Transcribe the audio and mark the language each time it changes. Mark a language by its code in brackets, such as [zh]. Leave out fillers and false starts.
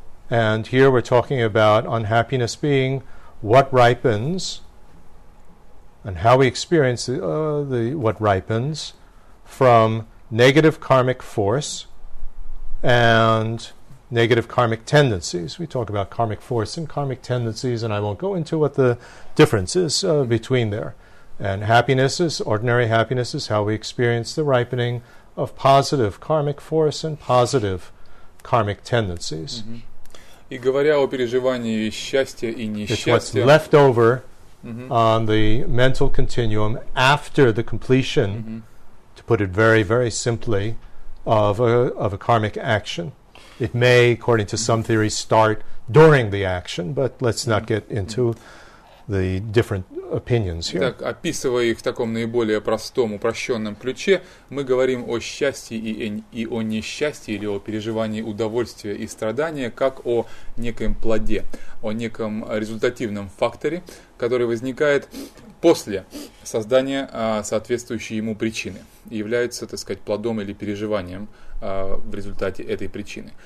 [en] And here we're talking about unhappiness being what ripens and how we experience the what ripens from negative karmic force and negative karmic tendencies. We talk about karmic force and karmic tendencies, and I won't go into what the difference is between there. And happiness is, ordinary happiness is how we experience the ripening of positive karmic force and positive karmic tendencies. Mm-hmm. [ru] И говоря о переживании счастья и несчастья, [en] it's what's left over mm-hmm. on the mental continuum after the completion, mm-hmm. to put it very, very simply, of a karmic action. It may, according to some theories, start during the action, but let's mm-hmm. not get into the different opinions here. [ru] Итак, описывая их в таком наиболее простом, упрощенном ключе, мы говорим о счастье и о несчастье, или о переживании удовольствия и страдания, как о неком плоде, о неком результативном факторе, который возникает после создания соответствующей ему причины, является, так сказать, плодом или переживанием в результате этой причины.